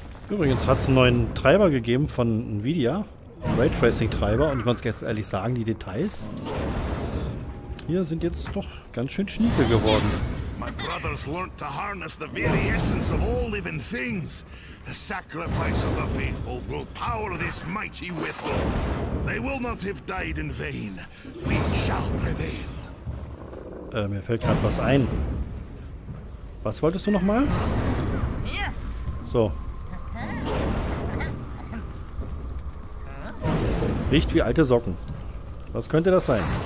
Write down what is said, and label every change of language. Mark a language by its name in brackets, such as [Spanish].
[German] Übrigens hat es einen neuen Treiber gegeben von Nvidia. Raytracing-Treiber. Und ich muss ganz ehrlich sagen, die Details hier sind jetzt doch ganz schön schniegel geworden. [English] My brothers learned to harness the very essence of all living things. The sacrifice of the faithful will power this mighty weapon. They will not have died in vain. We shall prevail. [German] Mir fällt gerade was ein. Was wolltest du nochmal? So. Riecht wie alte Socken. Was könnte das sein?